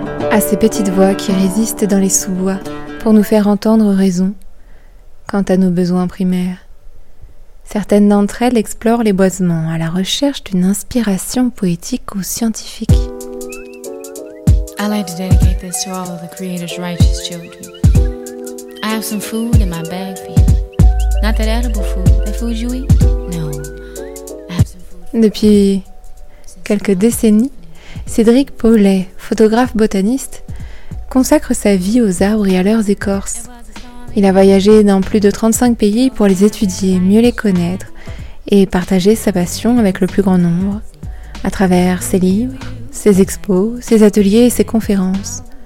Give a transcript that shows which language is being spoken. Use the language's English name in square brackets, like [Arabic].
[French] À ces petites voix qui résistent dans les sous-bois pour nous faire entendre raison quant à nos besoins primaires. Certaines d'entre elles explorent les boisements à la recherche d'une inspiration poétique ou scientifique. [English] I'd like to dedicate this to all of the Creator's righteous children. I have some food in my bag for you. Not that edible food, the food you eat? No. I have some food. [French] Depuis quelques décennies, Cédric Paulet, photographe botaniste, consacre sa vie aux arbres et à leurs écorces. Il a voyagé dans plus de 35 pays pour les étudier, mieux les connaître et partager sa passion avec le plus grand nombre, à travers ses livres, ses expos, ses ateliers et ses conférences.